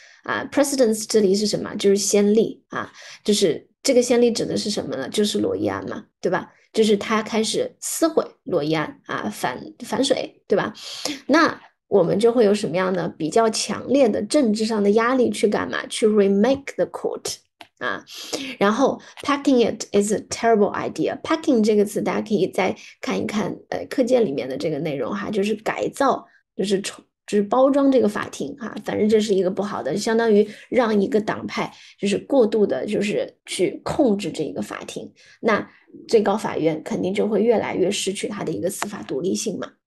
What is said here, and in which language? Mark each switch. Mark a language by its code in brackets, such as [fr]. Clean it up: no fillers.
[zh] 啊，precedents 这里是什么？就是先例啊，就是这个先例指的是什么呢？就是罗伊案嘛，对吧？就是他开始撕毁罗伊案啊，反水，对吧？那我们就会有什么样的比较强烈的政治上的压力去干嘛？ [en] 去 remake the court。啊，然后 packing it is a terrible idea。 [zh] packing 这个词，大家可以再看一看，课件里面的这个内容哈，就是改造，就是包装这个法庭哈，反正这是一个不好的，相当于让一个党派就是过度的，就是去控制这一个法庭，那最高法院肯定就会越来越失去它的一个司法独立性嘛。